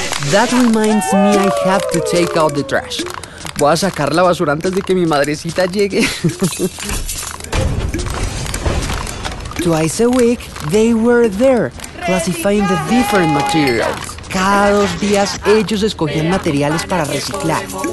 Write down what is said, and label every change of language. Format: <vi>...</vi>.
<en>That reminds me I have to take out the trash.</en> <es>Voy a sacar la basura antes de que mi madrecita llegue.</es> <en>Twice a week, they were there, classifying the different materials.</en> <es>Cada dos días, ellos escogían materiales para reciclar.</es>